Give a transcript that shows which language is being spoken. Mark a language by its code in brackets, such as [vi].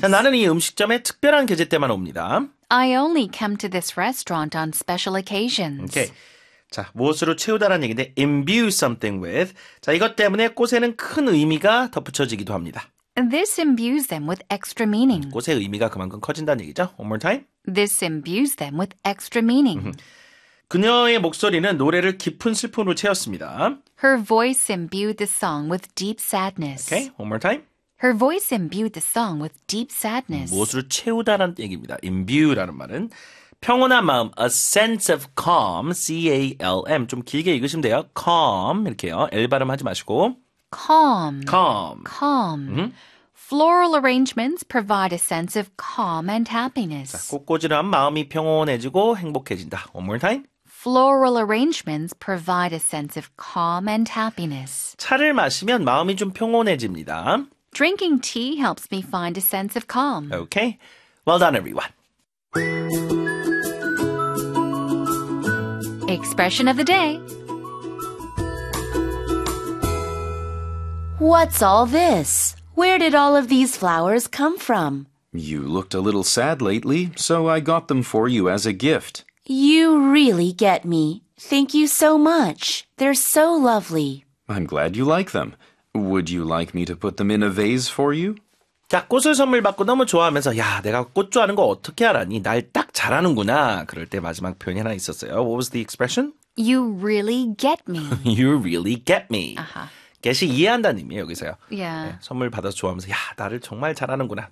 [ko] 자, 나는 이 음식점에 특별한 계제 때만 옵니다. [en] I only come to this restaurant on special occasions. [ko] Okay. 자, 무엇으로 채우다라는 얘기인데 imbue something with. 자, 이것 때문에 꽃에는 큰 의미가 덧붙여지기도 합니다. [en] This imbues them with extra meaning. [ko] 꽃의 의미가 그만큼 커진다는 얘기죠. [en] One more time. This imbues them with extra meaning. [ko] 그녀의 목소리는 노래를 깊은 슬픔으로 채웠습니다. [en] Her voice imbued the song with deep sadness. Okay, one more time. Her voice imbued the song with deep sadness. [ko] 무엇으로 채우다라는 얘기입니다. imbue라는 말은 평온한 마음, a sense of calm, C-A-L-M. 좀 길게 읽으시면 돼요. calm, 이렇게요. L 발음 하지 마시고. [en] calm. calm. calm. Mm-hmm. Floral arrangements provide a sense of calm and happiness. [ko] 자, 꽃꽂이란 마음이 평온해지고 행복해진다. [en] One more time. Floral arrangements provide a sense of calm and happiness. [ko] 차를 마시면 마음이 좀 평온해집니다. [en] Drinking tea helps me find a sense of calm. Okay. Well done, everyone. Expression of the day. What's all this? Where did all of these flowers come from? You looked a little sad lately, so I got them for you as a gift. You really get me. Thank you so much. They're so lovely. I'm glad you like them. Would you like me to put them in a vase for you? [ko] 자, 꽃을 선물 받고 너무 좋아하면서 야, 내가 꽃 좋아하는 거 어떻게 알았니? 날 딱 잘하는구나. 그럴 때 마지막 표현이 하나 있었어요. [en] What was the expression? You really get me. You really get me. [ko] Get이 이해한다는 의미예요, 여기서요. Yeah. 네, 선물 받아서 좋아하면서 야, 나를 정말 잘하는구나.